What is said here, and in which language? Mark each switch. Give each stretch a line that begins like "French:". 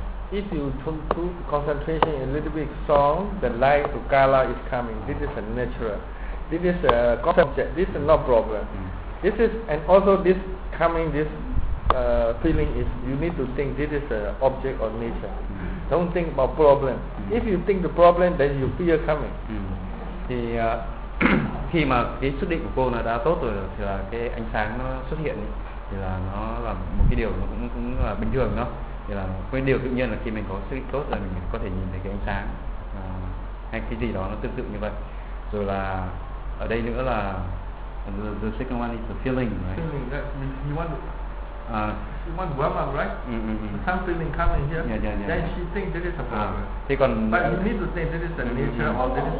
English: If you turn to concentration a little bit strong, the light to kala is coming. This is a natural. This is a concept. This is not problem. This is, and also this coming, this feeling is, you need to think this is an object or nature. Don't think about problem. If you think the problem, then you fear coming.
Vietnamese: Thì khi mà cái xuất định của cô nó đã tốt rồi thì là cái ánh sáng nó xuất hiện thì là nó là một cái điều nó cũng là bình thường đó. Thì là cái điều tự nhiên là khi mình có sức tốt là mình có thể nhìn thấy cái ánh sáng hay cái gì đó nó tương tự như vậy. Rồi là ở đây nữa là
English: the second one is the feeling, right? Feeling, you want you want warm up, right? Some feeling coming here. Yeah. Then she think this is a problem.
Vietnamese: Thì còn
English: but you need to say this is the nature or this is